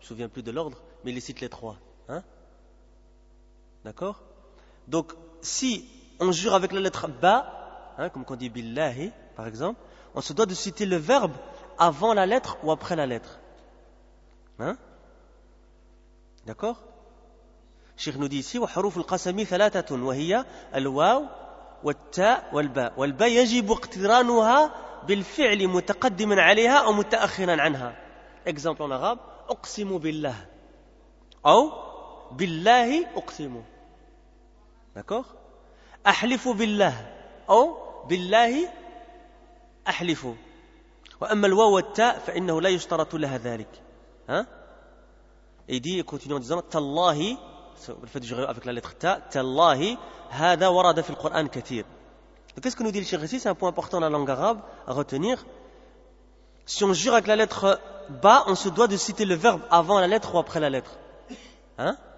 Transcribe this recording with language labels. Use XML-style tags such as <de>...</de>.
<fr>Je ne me souviens plus de l'ordre, mais il cite les trois. Hein? D'accord ? Donc, si on jure avec la lettre « ba », hein, comme quand on dit « billahi » par exemple, on se doit de citer le verbe avant la lettre ou après la lettre. Hein? D'accord ? الشيخ نودي سي</fr> <ar>وحروف القسم ثلاثة وهي الواو والتاء والباء والباء يجب اقترانها بالفعل متقدما عليها أو متأخرا عنها.</ar> <fr>Example en arabe:</fr> <ar>أقسم بالله أو بالله أقسم.</ar> <fr>D'accord.</fr> <ar>أحلف بالله أو بالله أحلف. وأما الواو والتاء فإنه لا يشترط لها ذلك.</ar> <fr>Et dit, continuons en disant: تالله. Le fait de jurer avec la lettre ta, tallahi,</fr> <ar>hada warada fil Quran kathir.</ar> <fr>Qu'est-ce que nous dit le cheikh ici? C'est un point important dans la langue arabe à retenir. Si on jure avec la lettre ba, on se doit de citer le verbe avant la lettre ou après la lettre. Hein?</fr>